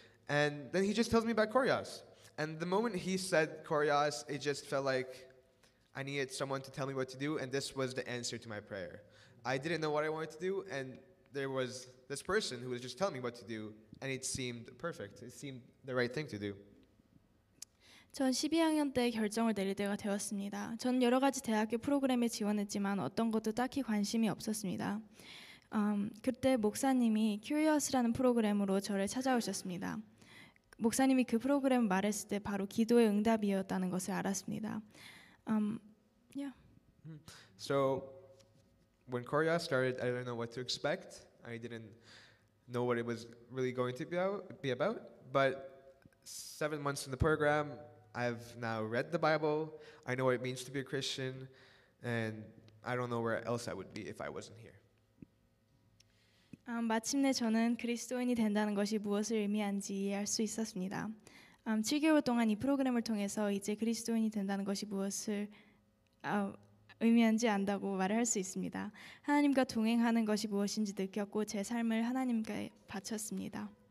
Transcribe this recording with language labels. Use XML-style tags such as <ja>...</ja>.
<en>And then he just tells me about Koryas. And the moment he said Koryas, it just felt like I needed someone to tell me what to do, and this was the answer to my prayer. I didn't know what I wanted to do, and there was this person who was just telling me what to do, and it seemed perfect. It seemed the right thing to do.</en> <ko>전 12학년 때 결정을 내릴 때가 되었습니다. 저는 여러 가지 대학교 프로그램에 지원했지만 어떤 것도 딱히 관심이 없었습니다. 그때 목사님이 Curious라는 프로그램으로 저를 찾아오셨습니다. 목사님이 그 프로그램을 말했을 때 바로 기도의 응답이었다는 것을 알았습니다.</ko> <en>So when Korea started, I didn't know what to expect. I didn't know what it was really going to be about. But 7 months in the program, I've now read the Bible. I know what it means to be a Christian. And I don't know where else I would be if I wasn't here.</en> <ko>마침내 저는 그리스도인이 된다는 것이 무엇을 의미한지 이해할 수 있었습니다. 7개월 동안 이 프로그램을 통해서 이제 그리스도인이 된다는 것이 무엇을 의미한지 안다고 말을 할 수 있습니다. 하나님과 동행하는 것이 무엇인지 느꼈고 제 삶을 하나님께 바쳤습니다.</ko>